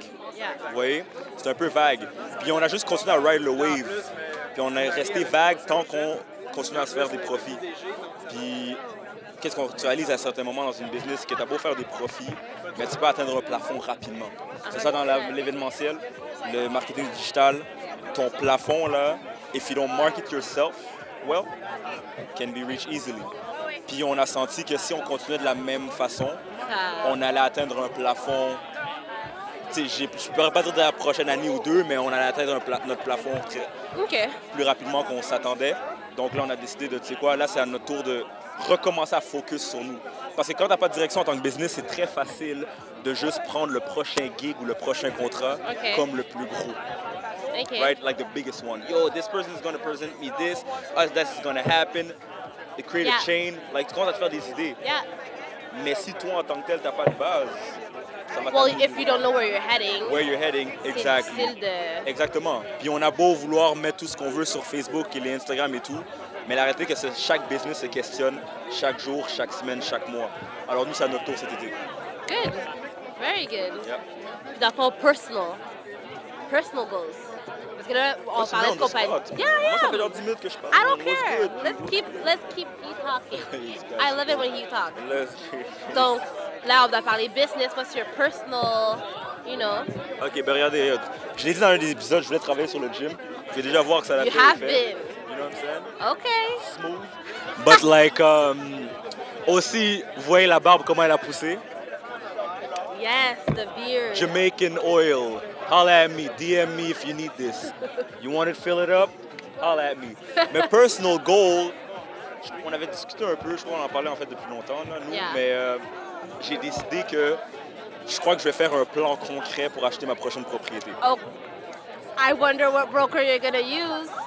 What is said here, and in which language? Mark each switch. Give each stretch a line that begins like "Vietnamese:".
French: Vous voyez? C'est un peu vague. Puis on a juste continué à ride le wave. Puis on est resté vague tant qu'on continue à se faire des profits. Puis qu'est-ce qu'on réalise à certains moments dans une business? C'est que t'as beau faire des profits, mais tu peux atteindre un plafond rapidement. C'est ça dans l'événementiel, le marketing digital. Ton plafond, là,
English: if you don't market yourself, well, can be reached easily.
French: Puis on a senti que si on continuait de la même façon, on allait atteindre un plafond. Je ne pourrais pas dire de la prochaine année ou deux, mais on allait atteindre notre plafond plus rapidement qu'on s'attendait. Donc là, on a décidé de, tu sais quoi, là, c'est à notre tour de recommencer à focus sur nous. Parce que quand tu n'as pas de direction en tant que business, c'est très facile de juste prendre le prochain gig ou le prochain contrat comme le plus gros.
English: Okay. Right? Like the biggest one. Yo, this person is going to present me this. Oh, that's going to happen. They create a chain.
French: Like, tu commences à te faire des idées.
English: Yeah.
French: Mais si toi, en tant que tel, tu n'as pas de base...
English: Well, if you don't know where you're heading. Where you're heading, exactly.
French: Exactement. Puis on a beau vouloir mettre tout ce qu'on veut sur Facebook et Instagram et tout, mais la réalité est que chaque business se questionne chaque jour, chaque semaine, chaque mois. Alors nous, c'est à notre tour cet été.
English: Good. Very good. Yeah.
French: Puis d'abord,
English: personal goals.
French: Parce que là, on parle de compagnie. Yeah, yeah. Moi, ça fait genre 10 minutes que je parle.
English: I don't care. Let's keep you talking. I love it when you talk.
French: Donc, là, on va parler business,
English: what's your personal, you know.
French: OK, ben regardez, je l'ai dit dans un des épisodes, je voulais travailler sur le gym. Je vais déjà voir que ça a l'air
English: fait. You have been. You know what I'm saying? Smooth. But like,
French: aussi, vous voyez la barbe, comment elle a poussé?
English: Yes, the beard. Jamaican oil. Holla at me, DM me if you need this. You want to fill it up? Holla at me. My personal goal,
French: on avait discuté un peu, je crois qu'on en parlait en fait depuis longtemps, là, nous, mais... J'ai décidé que je crois que je vais faire un plan concret pour acheter ma prochaine propriété.
English: Oh, I wonder what broker you're gonna use.